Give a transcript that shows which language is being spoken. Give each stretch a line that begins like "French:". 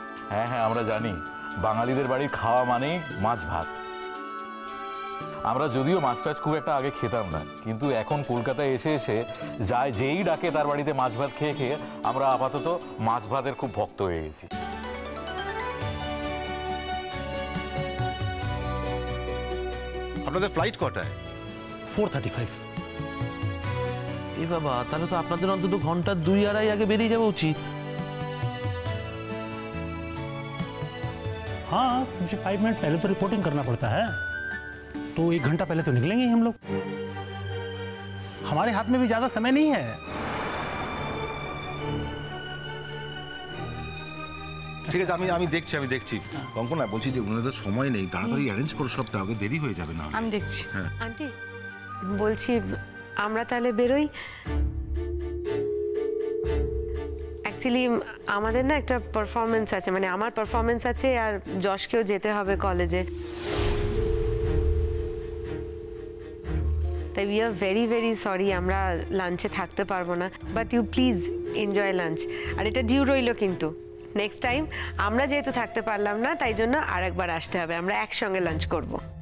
Bangla: হ্যাঁ হ্যাঁ আমরা জানি বাঙালিদের বাড়ির খাওয়া মানেই মাছ ভাত আমরা যদিও মাছ টাছ খুব একটা আগে খেতাম না কিন্তু এখন কলকাতায় এসে এসে যায় যেই ডাকে তার বাড়িতে মাছ ভাত খেয়ে খেয়ে আমরা আপাতত মাছ ভাতের খুব ভক্ত হয়ে গেছি আপনাদের ফ্লাইট কটায় 4:35 এ বাবা তাহলে তো আপনাদের অন্তত ঘন্টা দুই আড়াই আগে বেরিয়ে যাওয়া উচিত
Hindi: हाँ मुझे 5 मिनट पहले तो रिपोर्टिंग करना पड़ता है तो 1 घंटा पहले तो निकलेंगे ही हम लोग हमारे हाथ में भी ज्यादा समय नहीं है।
Bangla: ঠিক আছে আমি দেখছি কঙ্কনা বলছি যে উনাদের সময় নেই তাড়াতাড়ি অ্যারেঞ্জ করো সবটা আগে দেরি হয়ে যাবে না আমি দেখছি আন্টি বলছি আমরা তাহলে বেরোই অ্যাকচুয়ালি আমাদের না একটা পারফরম্যান্স আছে মানে আমার পারফরম্যান্স আছে আর জশকেও যেতে হবে কলেজে তাই
English: we are very very sorry
Bangla: আমরা লাঞ্চে থাকতে পারবো না
English: but you please enjoy lunch
Bangla: আর এটা ডিউ রইলো কিন্তু নেক্সট টাইম আমরা যেহেতু থাকতে পারলাম না তাই জন্য আরেকবার আসতে হবে আমরা একসঙ্গে লাঞ্চ করব